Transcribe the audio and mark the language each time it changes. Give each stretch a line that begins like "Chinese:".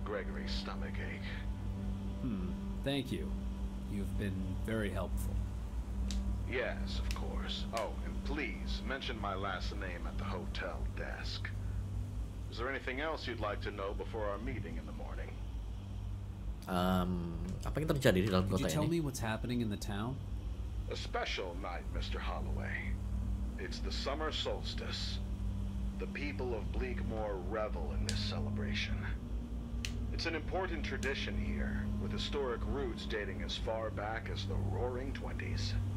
English: Gregory's stomach ache. Thank you. You've been very helpful. Yes, of course. Oh, and please, mention my last name at the hotel desk. Is there anything else you'd like to know before our meeting in the morning?
Indonesian: Apa yang terjadi di dalam kota ini?
English: Can you tell me what's happening in the town? A special night, Mr. Holloway. It's the summer solstice. The people of Bleakmoor revel in this celebration. It's an important tradition here, with historic roots dating as far back as the Roaring Twenties.